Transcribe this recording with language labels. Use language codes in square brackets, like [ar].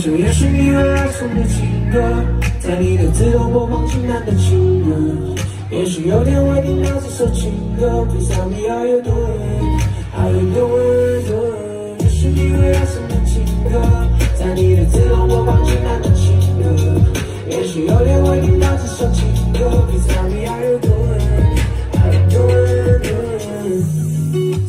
[zh] 是你为爱送的情歌，在你的自动播放清单的情歌，也许有天会听到这首情歌。 [en] Please tell me how you doing, how you doing, doing。 [zh] 这是你为爱送的情歌，在你的自动播放清单的情歌，也许有天会听到这首情歌。 [en] Please tell me how you doing, how you doing, doing。